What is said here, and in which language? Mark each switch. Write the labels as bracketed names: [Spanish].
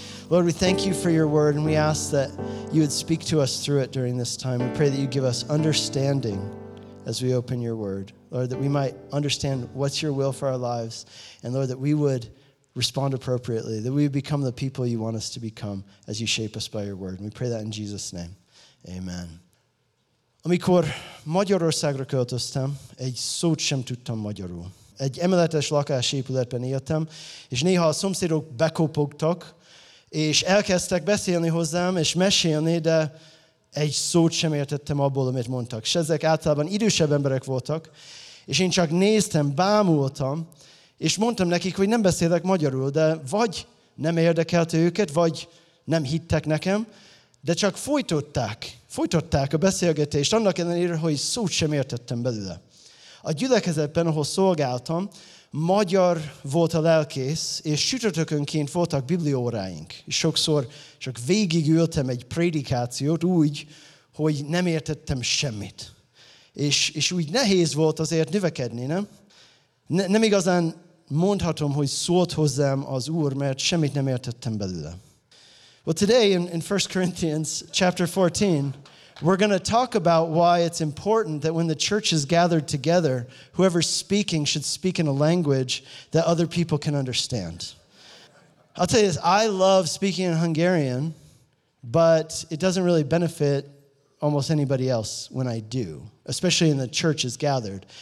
[English] Lord, we thank you for your word, and we ask that you would speak to us through it during this time. We pray that you give us understanding as we open your word. Lord, that we might understand what's your will for our lives, and Lord, that we would respond appropriately, that we would become the people you want us to become as you shape us by your word. And we pray that in Jesus' name. Amen. [Hungarian] Amikor Magyarországra költöztem, egy szót sem tudtam magyarul. Egy emeletes lakásépületben éltem, és néha a szomszédok bekopogtak, és elkezdtek beszélni hozzám, és mesélni, de egy szót sem értettem abból, amit mondtak. És ezek általában idősebb emberek voltak, és én csak néztem, bámultam, és mondtam nekik, hogy nem beszélek magyarul, de vagy nem érdekelte őket, vagy nem hittek nekem, de csak folytották a beszélgetést, annak ellenére, hogy szót sem értettem belőle. A gyülekezetben, ahol szolgáltam, magyar volt a lelkész, és sütötökönként voltak biblióráink. Sokszor csak végigültem egy prédikációt úgy, hogy nem értettem semmit. És úgy nehéz volt azért növekedni, nem? Nem igazán mondhatom, hogy szólt hozzám az Úr, mert semmit nem értettem belőle. [English] Well, today in 1 Corinthians chapter 14, we're going to talk about why it's important that when the church is gathered together, whoever's speaking should speak in a language that other people can understand. I'll tell you this, I love speaking in Hungarian, but it doesn't really benefit almost anybody else when I do, especially when the church is gathered.